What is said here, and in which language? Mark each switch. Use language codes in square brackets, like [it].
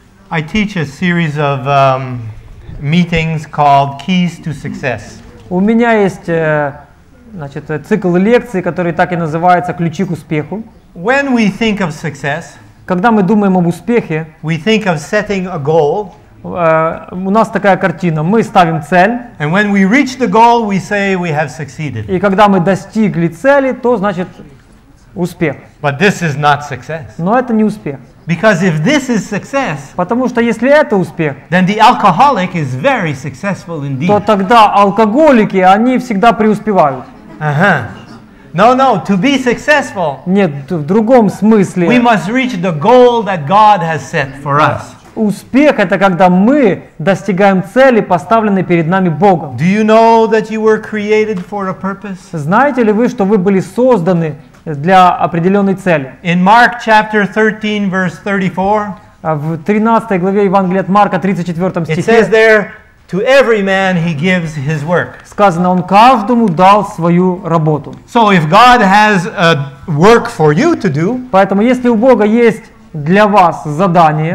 [en] I teach a series of meetings called Keys to Success. [ru] У меня есть, значит, цикл лекций, который так и называется «Ключи к успеху». [en] When we think of success, [ru] когда мы думаем об успехе, [en] we think of setting a goal. [ru] У нас такая картина. Мы ставим цель. [en] And when we reach the goal, we say we have succeeded. [ru] И когда мы достигли цели, то значит успех. [en] But this is not success. [ru] Но это не успех. [en] Because if this is success, [ru] потому что если это успех, [en] then the alcoholic is very successful indeed. [ru] То тогда алкоголики, они всегда преуспевают. [en] Uh-huh. No, to be successful. [ru] Нет, в другом смысле. [en] We must reach the goal that God has set for us. [ru] Успех — это когда мы достигаем цели, поставленной перед нами Богом. [en] Do you know that you were created for a purpose? [ru] Знаете ли вы, что вы были созданы для определенной цели? [en] In Mark chapter 13 verse 34. [ru] В 13 главе Евангелия от Марка, 34 стихе. [en] It says there, to every man he gives his work. [ru] Сказано, он каждому дал свою работу. [en] So if God has a work for you to do, [ru] поэтому если у Бога есть для вас задание,